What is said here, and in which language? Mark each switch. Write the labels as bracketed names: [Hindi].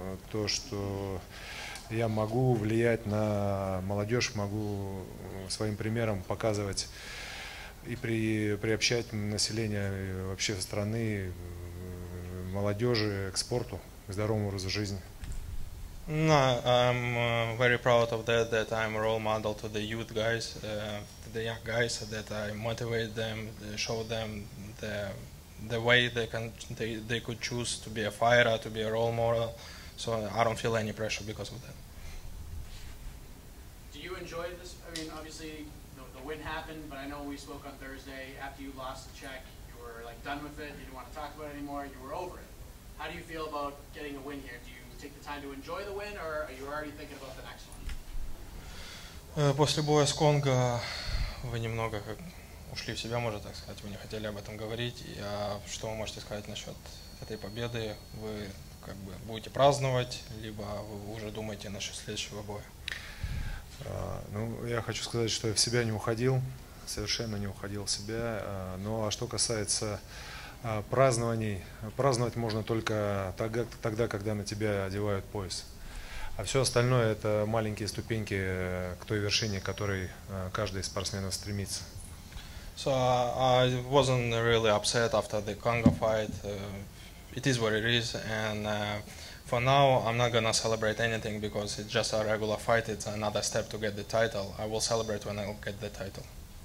[Russian] то, что я могу влиять на молодежь, могу своим примером показывать и приобщать население вообще страны, молодежи к спорту, к здоровому образу жизни. [English] No, I'm very proud of that I'm a role model to the youth guys, to the young guys, that I motivate them, show them the way they could choose to be a fighter, to be a role model. So I don't feel any pressure because of that. Do you enjoy this? I mean, obviously, the win happened, but I know we spoke on Thursday. After you lost the check, you were, like, done with it. You didn't want to talk about it anymore. You were over it. How do you feel about getting a win here? Do you take the time to enjoy the win, or are you already thinking about the next one? [Russian] После боя с Конго вы немного ушли в себя, можно так сказать. Вы не хотели об этом говорить. А что вы можете сказать насчет этой победы? Вы как бы будете праздновать, либо вы уже думаете насчет следующего боя? Ну, я хочу сказать, что я в себя не уходил, совершенно не уходил в себя. Ну, а что касается празднований, праздновать можно только тогда, когда на тебя одевают пояс. А все остальное – это маленькие ступеньки к той вершине, к которой каждый спортсмен стремится. [English] So, I wasn't really upset after the Congo fight. It is what it is, and for now, I'm not gonna celebrate anything because it's just a regular fight. It's another step to get the title. I will celebrate when I get the title.